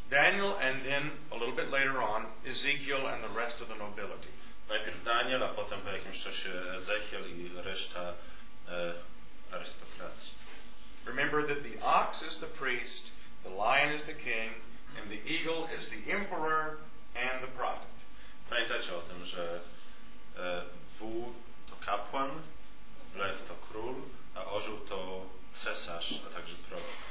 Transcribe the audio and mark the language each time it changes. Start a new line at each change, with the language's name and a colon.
English: Daniel and then a little bit later on Ezekiel and the rest of the nobility.
Polish: Najpierw Daniel, a potem po jakimś czasie Ezekiel i reszta arystokracji.
English: Remember that the ox is the priest, the lion is the king, and the eagle is the emperor and the prophet.
Polish: Pamiętajcie o tym, że wół to kapłan, lew to król, a orzeł to cesarz, a także prorok.